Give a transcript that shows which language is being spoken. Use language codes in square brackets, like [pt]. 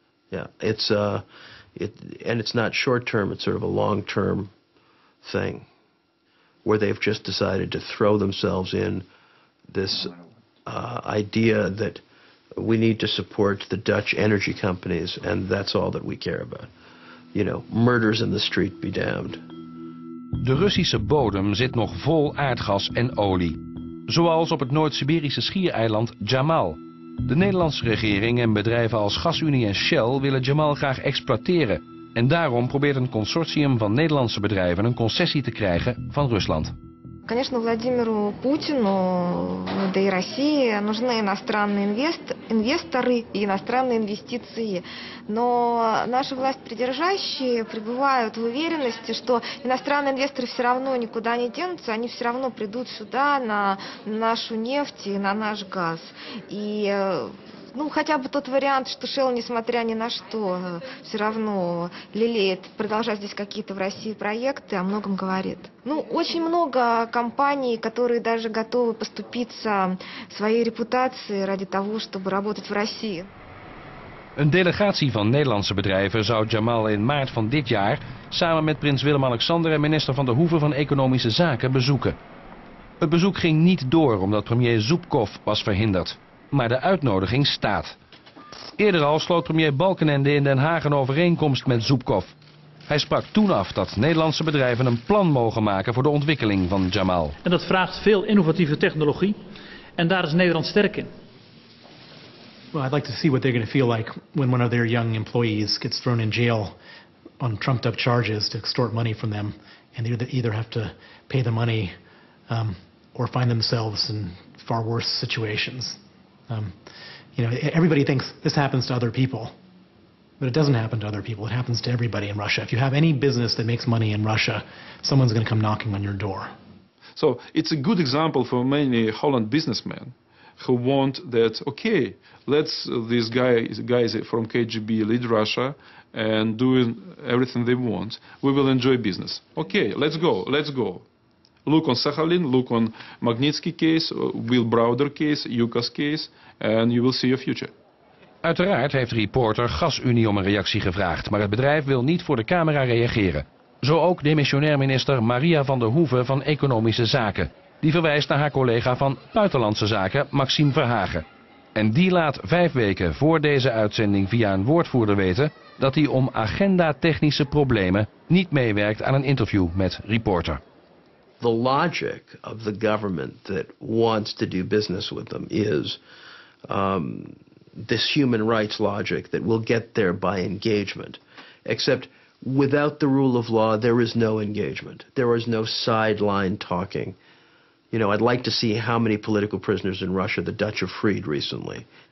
[en] Yeah, it's not short-term, it's sort of a long-term thing where they've just decided to throw themselves in this idea that we need to support the Dutch energy companies and that's all that we care about. You know, murders in the street be damned. [nl] De Russische bodem zit nog vol aardgas en olie. Zoals op het Noord-Siberische schiereiland Jamal. De Nederlandse regering en bedrijven als GasUnie en Shell willen Jamal graag exploiteren. En daarom probeert een consortium van Nederlandse bedrijven een concessie te krijgen van Rusland. [ru] Конечно, Владимиру Путину, да и России нужны иностранные инвесторы и иностранные инвестиции. Но наши власть придержащие пребывают в уверенности, что иностранные инвесторы все равно никуда не денутся, они все равно придут сюда на нашу нефть и на наш газ. И, ну, хотя бы тот вариант, что Shell, несмотря ни на что, все равно лелеет, продолжает здесь какие-то в России проекты, о многом говорит. Ну, очень много компаний, которые даже готовы поступиться своей репутацией ради того, чтобы работать в России. [nl] Een delegatie van Nederlandse bedrijven zou Jamal in maart van dit jaar samen met prins Willem-Alexander en minister Van der Hoeven van Economische Zaken bezoeken. Het bezoek ging niet door omdat premier Zubkov was verhinderd. Maar de uitnodiging staat. Eerder al sloot premier Balkenende in Den Haag een overeenkomst met Zubkov. Hij sprak toen af dat Nederlandse bedrijven een plan mogen maken voor de ontwikkeling van Jamal. En dat vraagt veel innovatieve technologie. En daar is Nederland sterk in. [en] Well, I'd like to see what they're going to feel like when one of their young employees gets thrown in jail on trumped up charges to extort money from them. And they either have to pay the money or find themselves in far worse situations. You know, everybody thinks this happens to other people, but it doesn't happen to other people. It happens to everybody in Russia. If you have any business that makes money in Russia, someone's going to come knocking on your door. So it's a good example for many Holland businessmen who want that, okay, let's these guys from KGB lead Russia and doing everything they want. We will enjoy business. Okay, let's go. Look on Sakhalin, look on Magnitsky case, Will Browder case, Yukas case, and you will see your future. [nl] Uiteraard heeft reporter GasUnie om een reactie gevraagd, maar het bedrijf wil niet voor de camera reageren. Zo ook demissionair minister Maria van der Hoeven van Economische Zaken. Die verwijst naar haar collega van Buitenlandse Zaken, Maxime Verhagen. En die laat 5 weken voor deze uitzending via een woordvoerder weten dat hij om agendatechnische problemen niet meewerkt aan een interview met reporter. [en] The logic of the government that wants to do business with them is this human rights logic that we'll get there by engagement. Except without the rule of law, there is no engagement. There is no sideline talking. You know, I'd like to see how many political prisoners in Russia the Dutch have freed recently.